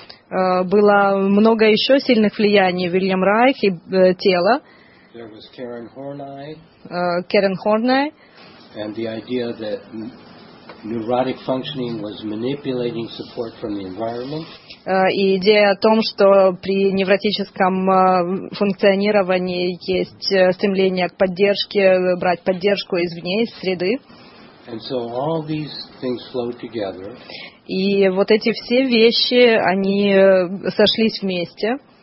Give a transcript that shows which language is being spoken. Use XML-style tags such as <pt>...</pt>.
<ru>Было много еще сильных влияний Вильям Райх и тело.</ru> <en>There was Karen Horney. Karen Horney. And the idea that neurotic functioning was manipulating support from the environment.</en> <ru>И идея о том, что при невротическом функционировании есть стремление к поддержке, брать поддержку извне, из среды.</ru> <en>And so all these things flowed together.</en> <ru>И вот эти все вещи, они сошлись вместе.</ru>